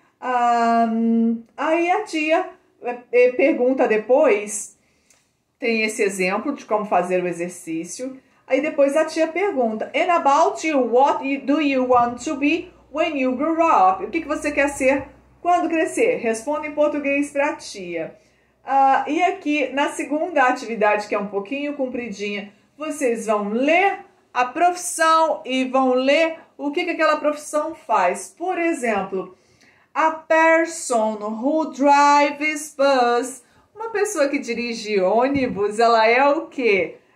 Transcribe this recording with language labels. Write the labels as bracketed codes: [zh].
[pt] Aí a tia pergunta depois, tem esse exemplo de como fazer o exercício. Aí depois a tia pergunta: [en] And about you, what do you want to be when you grow up? [pt] O que que você quer ser quando crescer? Responda em português para a tia. E aqui na segunda atividade, que é um pouquinho compridinha, vocês vão ler a profissão e vão ler o que que aquela profissão faz. Por exemplo, [en] a person who drives bus, [pt] uma pessoa que dirige ônibus, ela é o quê?